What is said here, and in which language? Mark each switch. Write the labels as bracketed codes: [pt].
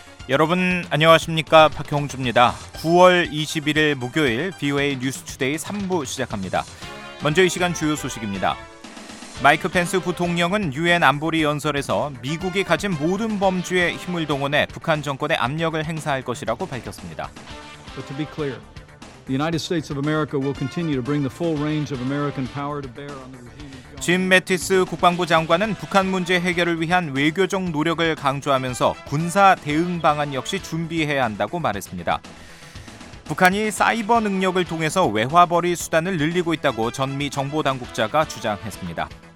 [ko] 여러분 안녕하십니까? 박형주입니다. 9월 21일 목요일 VOA News Today 3부 시작합니다. 먼저 이 시간 주요 소식입니다. 마이크 펜스 부통령은 유엔 안보리 연설에서 미국이 가진 모든 범주의 힘을 동원해 북한 정권에 압력을 행사할 것이라고 밝혔습니다. [en] But to be clear, the United States of America will continue to bring the full range of American power to bear on the regime. [ko] 짐 매티스 국방부 장관은 북한 문제 해결을 위한 외교적 노력을 강조하면서 군사 대응 방안 역시 준비해야 한다고 말했습니다. 북한이 사이버 능력을 통해서 외화벌이 수단을 늘리고 있다고 전미 정보당국자가 주장했습니다.